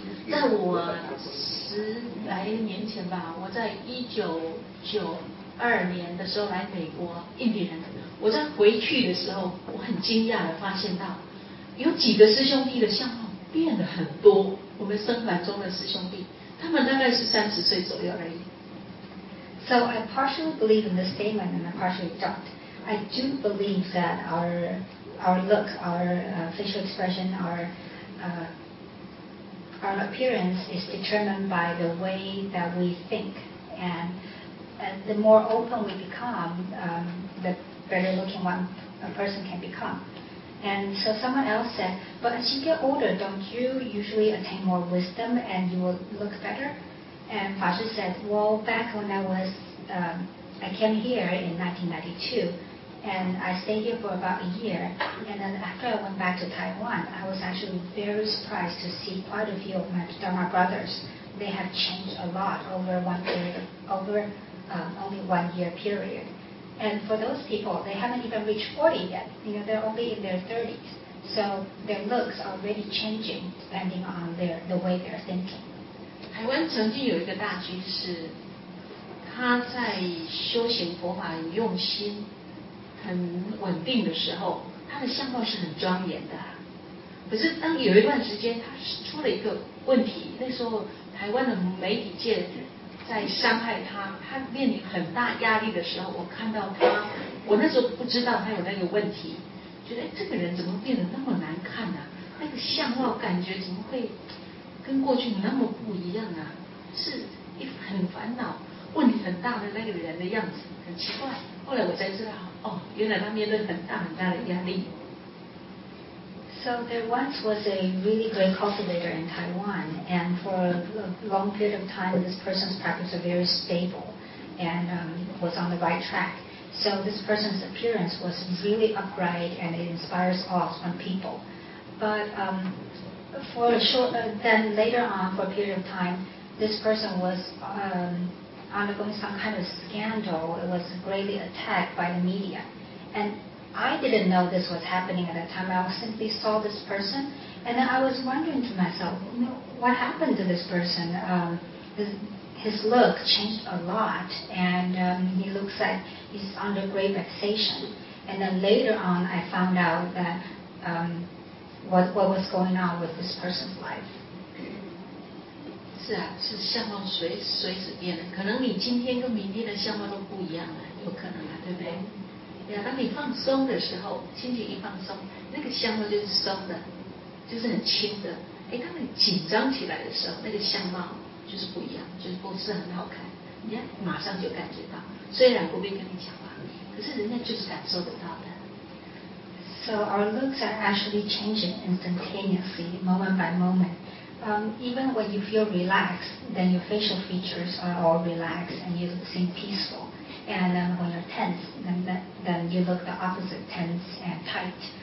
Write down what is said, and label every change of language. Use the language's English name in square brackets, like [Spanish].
[Chinese] 在我十来年前吧，我在1992年的时候来美国，印第人，我在回去的时候，我很惊讶的发现到，有几个师兄弟的相貌变得很多。我们僧团中的师兄弟，他们大概是30岁左右而已。 [English] So I partially believe in the statement and I partially don't. I do believe that our look, our facial expression, our appearance is determined by the way that we think. And the more open we become, the better looking one a person can become. And so someone else said, but as you get older, don't you usually attain more wisdom and you will look better? And Fa Shi said, well, back when I came here in 1992, and I stayed here for about a year, and then after I went back to Taiwan, I was actually very surprised to see quite a few of my Dharma brothers. They have changed a lot over only 1 year period. And for those people, they haven't even reached 40 yet. You know, they're only in their 30s. So their looks are already changing depending on the way they're thinking. [Chinese] 台湾曾经有一个大居士，他在修行佛法很用心、很稳定的时候，他的相貌是很庄严的。可是当有一段时间，他出了一个问题，那时候台湾的媒体界。在伤害他，他面临很大压力的时候，我看到他，我那时候不知道他有那个问题，觉得这个人怎么变得那么难看呢、啊？那个相貌感觉怎么会跟过去那么不一样啊？是一很烦恼、问题很大的那个人的样子，很奇怪。后来我才知道，哦，原来他面对很大很大的压力。 [English] So there once was a really great cultivator in Taiwan, and for a long period of time, this person's practice was very stable and was on the right track. So this person's appearance was really upright and it inspires awe from people. But then later on, for a period of time, this person was undergoing some kind of scandal. It was greatly attacked by the media. And I didn't know this was happening at that time. I simply saw this person, and then I was wondering to myself, you know, what happened to this person? His look changed a lot, and he looks like he's under great vexation. And then later on, I found out that what was going on with this person's life. [Chinese] 是啊，是相貌随时变的，可能你今天跟明天的相貌都不一样了，有可能啊，对不对？ Yeah, 当你放松的时候，心情一放松，那个相貌就是松的，就是很轻的。哎，当你紧张起来的时候，那个相貌就是不一样，就是不是很好看。人家马上就感觉到，虽然不必跟你讲话，可是人家就是感受得到的。 [English] So our looks are actually changing instantaneously, moment by moment. Even when you feel relaxed, then your facial features are all relaxed and you seem peaceful. And then when you're tense, then you look the opposite, tense and tight.